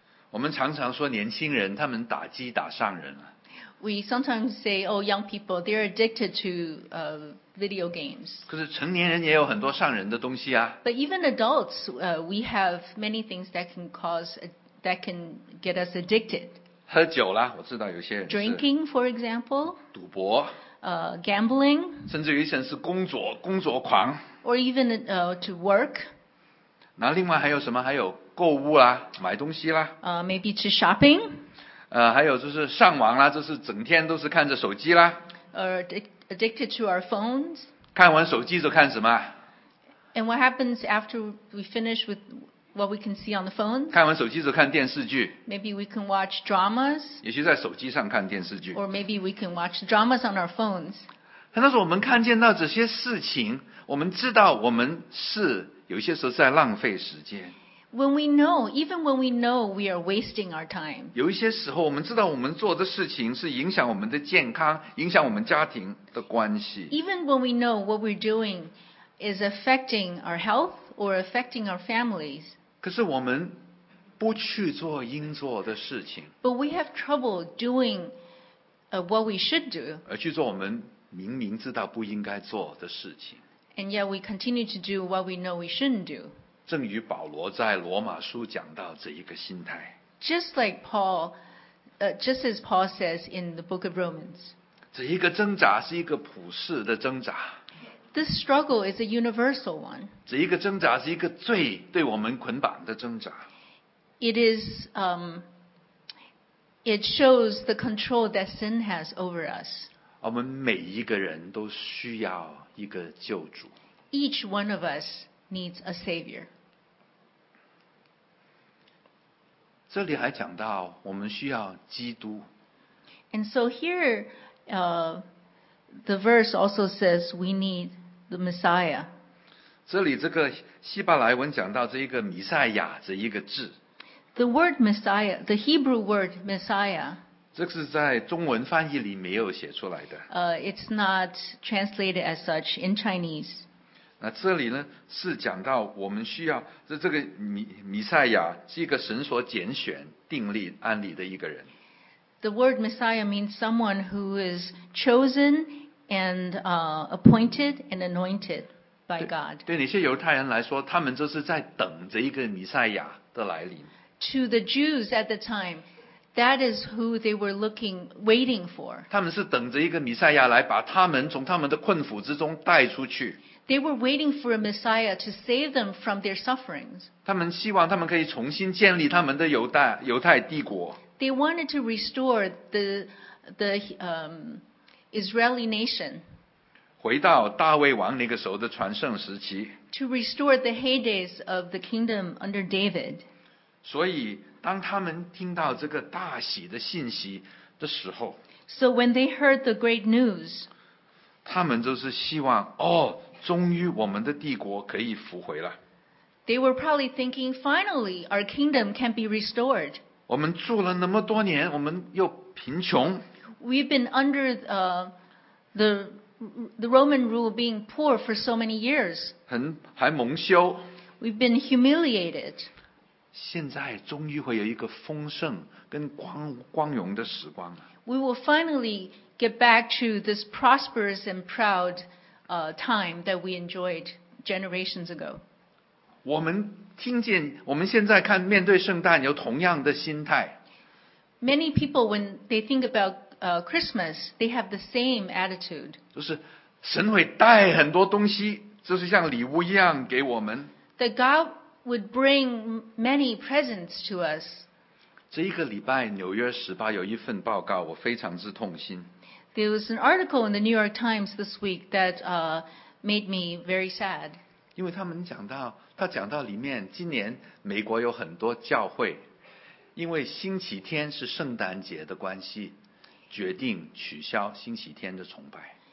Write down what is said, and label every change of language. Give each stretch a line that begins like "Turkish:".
Chinese: 我们常常说年轻人，他们打鸡打上人了。
English: We sometimes say, oh, young people, they're addicted to video games.
Chinese: 可是成年人也有很多上瘾的东西啊。
English: But even adults, we have many things that can cause, that can get us addicted.
Chinese: 喝酒啦，我知道有些人是。
English: Drinking, for example.
Chinese: 赌博。
English: Gambling.
Chinese: 甚至有些人是工作狂。
English: Or even to work.
Chinese: 那另外还有什么？还有购物啦，买东西啦。
English: Maybe to shopping.
Chinese: 还有就是上网啦，就是整天都是看着手机啦。
English: Addicted to our phones.
Chinese: 看完手机就看什么？
English: And what happens after we finish with what we can see on the phone?
Chinese: 看完手机就看电视剧。
English: Maybe we can watch dramas.
Chinese: 也许在手机上看电视剧。
English: Or maybe we can watch dramas on our phones.
Chinese: 很多时候我们看见到这些事情，我们知道我们是有些时候在浪费时间。
English: When we know, even when we know we are wasting our time.
Chinese: 有一些时候我们知道我们做的事情是影响我们的健康，影响我们家庭的关系。
English: Even when we know what we're doing is affecting our health or affecting our families.
Chinese: 可是我们不去做应做的事情。
English: But we have trouble doing what we should do.
Chinese: 而去做我们明明知道不应该做的事情。
English: And yet we continue to do what we know we shouldn't do.
Chinese: 正如保罗在罗马书讲到这一个心态。
English: Just like Paul, just as Paul says in the book of Romans.
Chinese: 这一个挣扎是一个普世的挣扎。
English: This struggle is a universal one.
Chinese: 这一个挣扎是一个罪对我们捆绑的挣扎。
English: It is, it shows the control that sin has over us.
Chinese: 我们每一个人都需要一个救主。
English: Each one of us. Needs a savior.
Chinese: 这里还讲到我们需要基督。
English: And so here, the verse also says we need the Messiah.
Chinese: 这里这个希伯来文讲到这一个弥赛亚这一个字。
English: The word Messiah, the Hebrew word Messiah.
Chinese: 这是在中文翻译里没有写出来的。
English: It's not translated as such in Chinese.
Chinese: 那这里呢是讲到我们需要这个弥赛亚是一个神所拣选定立安立的一个人。
English: The word Messiah means someone who is chosen and appointed and anointed by God.
Chinese: 对那些犹太人来说，他们就是在等着一个弥赛亚的来临。
English: To the Jews at the time, that is who they were looking, waiting for.
Chinese: 他们是等着一个弥赛亚来把他们从他们的困苦之中带出去。
English: They were waiting for a Messiah to save them from their sufferings.
Chinese: 他们希望他们可以重新建立他们的犹太帝国。
English: They wanted to restore the Israeli nation.
Chinese: 回到大卫王那个时候的全盛时期。
English: To restore the heydays of the kingdom under David.
Chinese: 所以当他们听到这个大喜的信息的时候。
English: So when they heard the great news.
Chinese: 他们就是希望哦。终于我们的帝国可以复回了。
English: They were probably thinking, finally, our kingdom can be restored.
Chinese: 我们住了那么多年，我们又贫穷。
English: We've been under the Roman rule being poor for so many years.
Chinese: 还蒙羞。
English: We've been humiliated.
Chinese: 现在终于会有一个丰盛跟光荣的时光。
English: We will finally get back to this prosperous and proud time that we enjoyed generations ago.
Chinese: 我们听见，我们现在看面对圣诞有同样的心态。
English: Many people, when they think about Christmas, they have the same attitude.
Chinese: 就是神会带很多东西，就是像礼物一样给我们。
English: That God would bring many presents to us.
Chinese: 这一个礼拜《纽约时报》有一份报告我非常之痛心。
English: There was an article in the New York Times this week that made me very sad.
Chinese: 因为他们讲到，他讲到里面，今年美国有很多教会，因为星期天是圣诞节的关系，决定取消星期天的崇拜。